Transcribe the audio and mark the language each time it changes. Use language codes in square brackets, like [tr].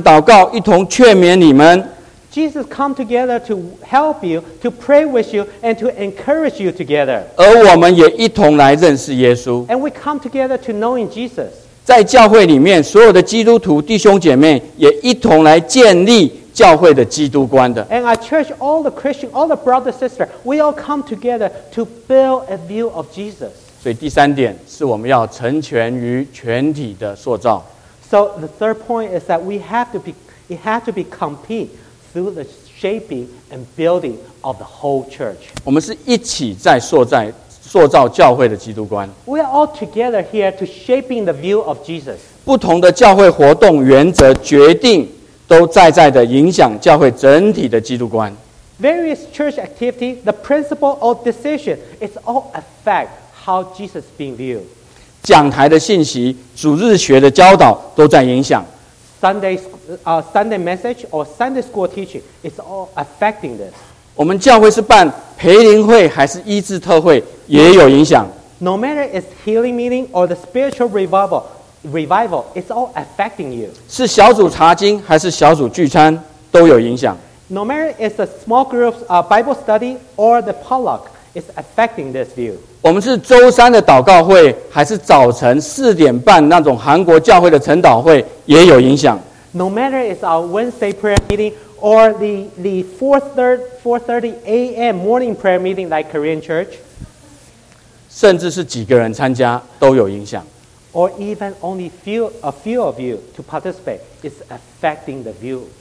[zh] 耶稣一同帮助你们，一起为你们祷告，一同劝勉你们。 [en] Jesus come together to help you, to pray with you, and to encourage you together. [zh] 而我们也一同来认识耶稣。 [en] And we come together to knowing Jesus. [zh] 在教会里面，所有的基督徒弟兄姐妹也一同来建立。教会的基督观的。 [en] And our church, all the Christians, all the brothers and sisters, we all come together to build a view of Jesus. [zh] 所以第三点是我们要成全于全体的塑造。 [en] So the third point is that it has to be complete through the shaping and building of the whole church. [zh] 我们是一起在塑造教会的基督观。 [en] We are all together here to shaping the view of Jesus. [zh] 不同的教会活动原则决定 都在在的影响教会整体的基督观。 [en] Various church activity, the principle or decision, it's all affect how Jesus being viewed. [zh] 讲台的信息，主日学的教导都在影响。 [en] Sunday message or Sunday school teaching is all affecting this. [zh] 我们教会是办培灵会还是医治特会也有影响。 [en] No matter it's healing meeting or the spiritual revival, it's all affecting you. [zh] 是小组查经还是小组聚餐都有影响。 [en] No matter it's a small group Bible study or the potluck, it's affecting this view. [zh] 我们是周三的祷告会还是早晨四点半那种韩国教会的晨祷会也有影响。 [en] No matter it's our Wednesday prayer meeting or the 4:30 a.m. morning prayer meeting like Korean church. [zh] 甚至是几个人参加都有影响。 [en] Or even only a few of you to participate is affecting the view.